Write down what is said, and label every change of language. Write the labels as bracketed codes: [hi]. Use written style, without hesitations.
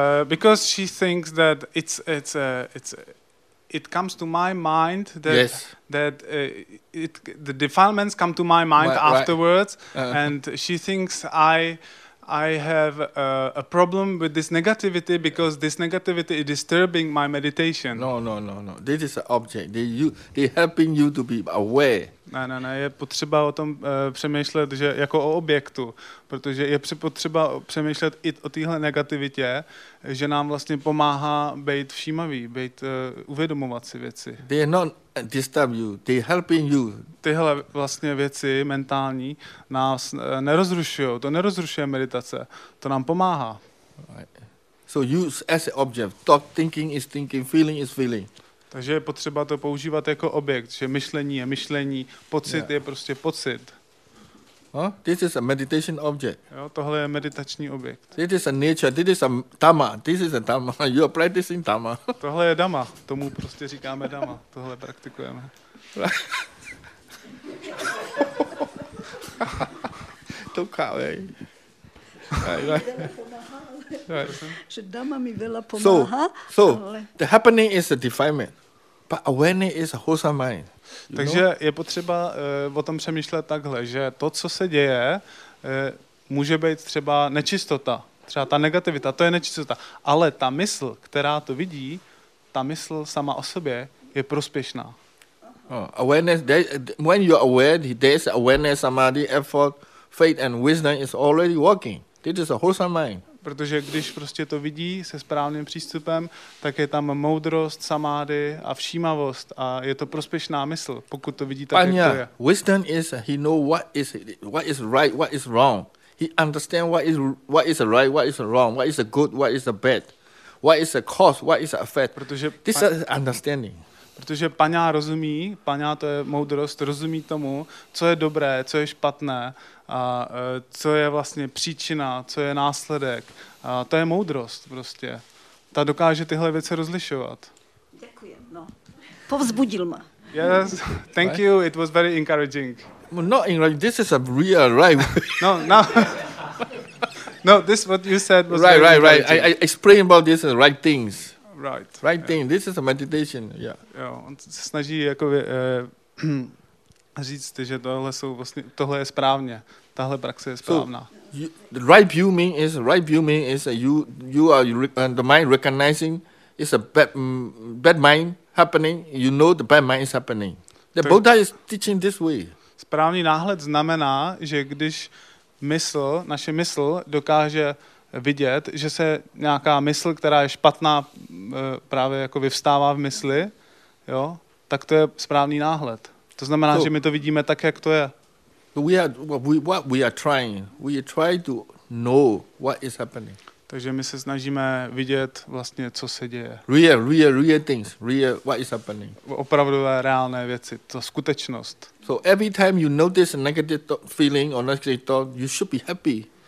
[en] Because she thinks that it comes to my mind that yes. That the defilements come to my mind right, afterwards, right. And she thinks I have a problem with this negativity because this negativity is disturbing my meditation. No. This is an object. They helping you to be aware. No. [cs] Je potřeba o tom přemýšlet, že jako o objektu, protože je potřeba přemýšlet i o téhle negativitě, že nám vlastně pomáhá být všímavý, být uvědomovat si věci. [en] They not disturb you. They helping you. [cs] Tyhle vlastně věci mentální nás nerozrušují. To nerozrušuje meditace. To nám pomáhá. [en] Right. So use as an object. Thought, thinking is thinking, feeling is feeling. [cs] Takže je potřeba to používat jako objekt, že myšlení je myšlení, pocit je prostě pocit. [en] Huh? This is a meditation object. [cs] Jo, tohle je meditační objekt. [en] This is a nature, this is a dhamma, this is a dhamma, you are practicing dhamma. [cs] Tohle je dhamma, tomu prostě říkáme dhamma, tohle praktikujeme. To kávej. Aj, [sk] že dhamma mi veľa pomáha. [en] So, ale... the happening is a defilement, but awareness is a wholesome mind. [cs] Takže je potřeba o tom přemýšlet takhle, že to, co se děje, může být třeba nečistota, třeba ta negativita, to je nečistota, ale ta mysl, která to vidí, ta mysl sama o sobě je prospěšná. [en] Oh, awareness, when you're aware, there's awareness, samadhi, effort, faith and wisdom is already working. This is a wholesome mind. [cs] Protože když prostě to vidí se správným přístupem, tak je tam moudrost, samády a všímavost a je to prospěšná mysl, pokud to vidí tak, Panya, jak to je. [en] Wisdom is he know what is right, what is wrong. He understand what is right, what is wrong, what is a good, what is a bad. What is a cause, what is a effect. [cs] Protože [en] this is understanding. [cs] Protože Panya rozumí, Panya to je moudrost, rozumí tomu, co je dobré, co je špatné. A co je vlastně příčina, co je následek. A to je moudrost prostě. Ta dokáže tyhle věci rozlišovat. Děkuji, no. Povzbudil mě. [en] Yes, thank you, it was very encouraging. No, this is a real right. No, this what you said was right. Right. I explain about this as right things. Right. Right thing, yeah. This is a meditation, yeah. [cs] Jo, on se snaží jako... říct, že tohle jsou vlastně, tohle je správně. Tahle praxe je správná. [en] So, the right view means you are the mind recognizing it's a bad mind happening. You know the bad mind is happening. The Buddha is teaching this way. [cs] Správný náhled znamená, že když naše mysl dokáže vidět, že se nějaká mysl, která je špatná, právě jako vyvstává v mysli, jo, tak to je správný náhled. To znamená, že my to vidíme tak, jak to je. [en] We try to know what is happening. [cs] Takže my se snažíme vidět vlastně, co se děje. [en] Real things, real what is happening. [cs] Opravdové, reálné věci, to skutečnost. [en] So every time you notice a negative feeling or negative thought, you should be happy.